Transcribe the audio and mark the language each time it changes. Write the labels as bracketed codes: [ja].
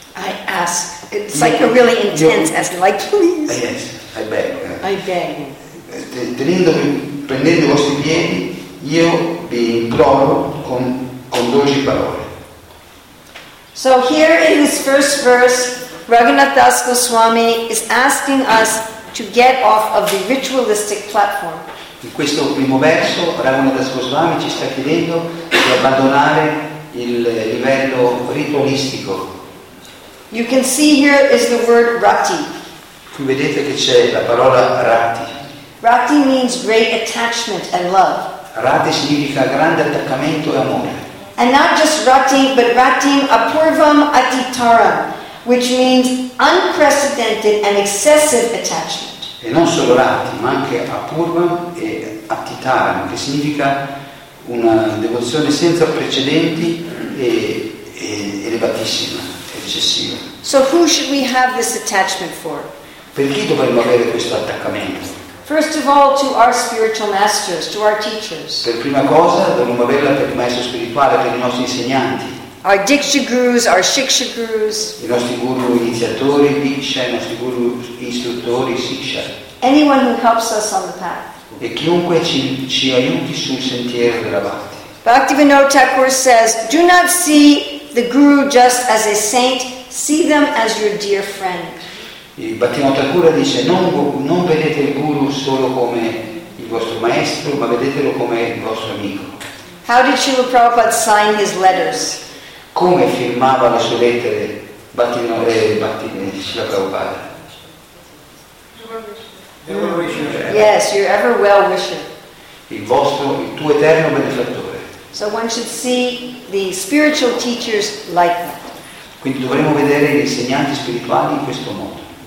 [en] I ask, it's like a really intense ask, like please. Yes, I beg. I beg. [it] Prendendo i vostri piedi, io vi imploro con dolci parole. [en] So here in this first verse, Raghunath Das Goswami is asking us to get off of the ritualistic platform. [it] In questo primo verso, Raghunath Das Goswami ci sta chiedendo di abbandonare il livello ritualistico. [en] You can see here is the word rati. [it] Qui vedete che c'è la parola rati. [en] Rati means great attachment and love. [it] Rati significa grande attaccamento e amore. [en] And not just rati, but rati apurvam atitaram, which means unprecedented and excessive attachment. [it] E non solo rati, ma anche apurvam e atitaram, che significa una devozione senza precedenti e elevatissima, eccessiva. [en] So who should we have this attachment for? [it] Per chi dovremmo avere questo attaccamento? [en] First of all, to our spiritual masters, to our teachers. [it] Per prima cosa, dovremmo averla per il maestro spirituale, per i nostri insegnanti. [en] Our Diksha Gurus, our Shiksha Gurus. [it] I nostri guru iniziatori, Diksha, i nostri guru istruttori, Shiksha. [en] Anyone who helps us on the path. [it] E chiunque ci aiuti sul sentiero della Bhakti. [en] Bhaktivinoda Thakur says, do not see the guru just as a saint, see them as your dear friend. [it] Il Bhaktivinoda Thakura dice non vedete il guru solo come il vostro maestro, ma vedetelo come il vostro amico. [en] How did Srila Prabhupada sign his letters? [it] Come firmava le sue lettere Srila Prabhupada? [en] Yes, your ever well wisher. [it] Il tuo eterno benefattore. [en] So one should see the spiritual teachers like that. [it] Quindi dovremmo vedere gli insegnanti spirituali in questo modo.